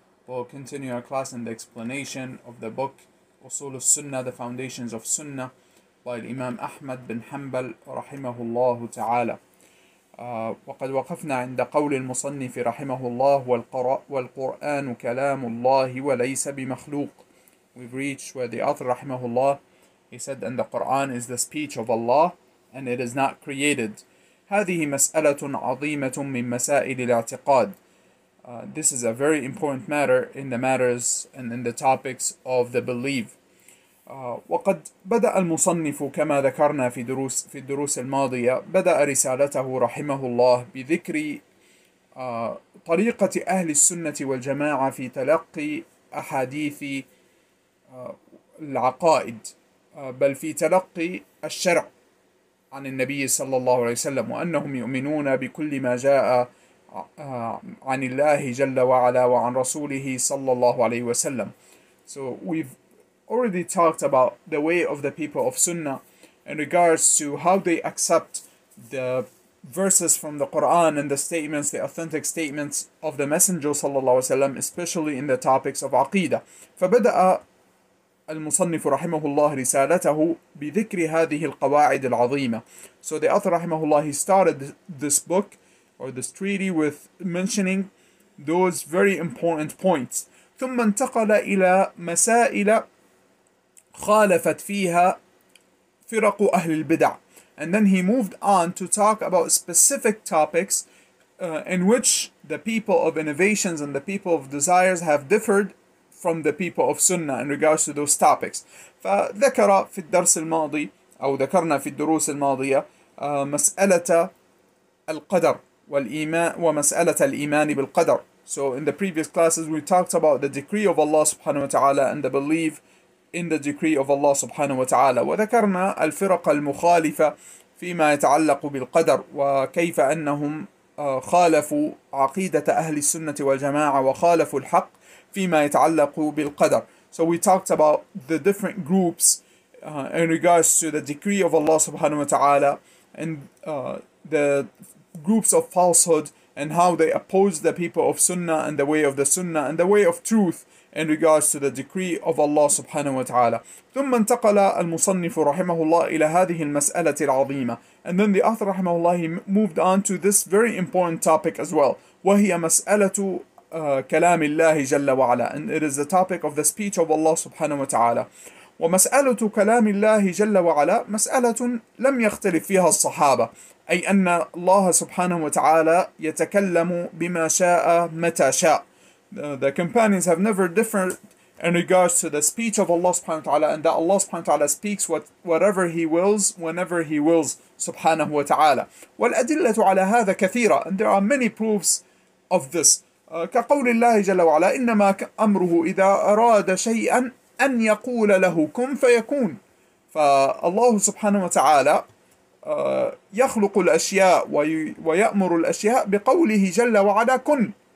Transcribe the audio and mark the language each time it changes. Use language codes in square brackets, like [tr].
[en] We'll continue our class in the explanation of the book أصول السنة, the foundations of Sunnah, by Imam Ahmad bin Hanbal [ar] رحمه الله تعالى. وقد وقفنا عند قول المصنف رحمه الله والقرآن كلام الله وليس بمخلوق. [en] We've reached where the author [ar] رحمه الله, [en] he said, and the Quran is the speech of Allah and it is not created. [ar] هذه مسألة عظيمة من مسائل الاعتقاد. [en] This is a very important matter in the matters and in the topics of the belief. [ar] وقد بدأ المصنف كما ذكرنا في الدروس الماضية بدأ رسالته رحمه الله بذكر طريقة أهل السنة والجماعة في تلقي أحاديث العقائد بل في تلقي الشرع عن النبي صلى الله عليه وسلم وأنهم يؤمنون بكل ما جاء عن الله جل وعلا وعن رسوله صلى الله عليه وسلم. [en] So we've already talked about the way of the people of Sunnah in regards to how they accept the verses from the Quran and the statements, the authentic statements of the Messenger صلى الله عليه وسلم, especially in the topics of Aqidah. [ar] فبدأ المصنف رحمه الله رسالته بذكر هذه القواعد العظيمة. [en] So the author [ar] رحمه الله, [en] he started this book or this treaty with mentioning those very important points. [ar] ثم انتقل إلى مسائل خالفت فيها فرق أهل البدع. [en] And then he moved on to talk about specific topics in which the people of innovations and the people of desires have differed from the people of Sunnah in regards to those topics. [ar] فذكر في الدرس الماضي أو ذكرنا في الدروس الماضية مسألة القدر والإيمان ومسألة الإيمان بالقدر. [en] So in the previous classes we talked about the decree of Allah subhanahu wa ta'ala and the belief in the decree of Allah subhanahu wa ta'ala. [ar] وذكرنا الفرق المخالفة فيما يتعلق بالقدر وكيف أنهم خالفوا عقيدة أهل السنة والجماعة وخالفوا الحق فيما يتعلق بالقدر. [en] So we talked about the different groups in regards to the decree of Allah subhanahu wa ta'ala and the groups of falsehood and how they oppose the people of Sunnah and the way of the Sunnah and the way of truth in regards to the decree of Allah subhanahu wa ta'ala. [ar] ثم انتقل المصنف رحمه الله إلى هذه المسألة العظيمة. [en] And then the author [ar] رحمه الله [en] moved on to this very important topic as well. [ar] وهي مسألة كلام الله جل وعلا. [en] And it is the topic of the speech of Allah subhanahu wa ta'ala. [ar] ومسألة كلام الله جل وعلا مسألة لم يختلف فيها الصحابة. أي أن الله سبحانه وتعالى يتكلم بما شاء متى شاء. [en] The companions have never differed in regards to the speech of Allah subhanahu wa ta'ala and that Allah subhanahu wa ta'ala speaks whatever He wills, whenever He wills subhanahu wa ta'ala. [ar] والأدلة على هذا كثيرة. [en] And there are many proofs of this. [ar] كقول الله جل وعلا إنما أمره إذا أراد شيئا أن يقول له كن فيكون. فالله سبحانه وتعالى يخلق الأشياء ويأمر الأشياء بقوله جل وعلا كن.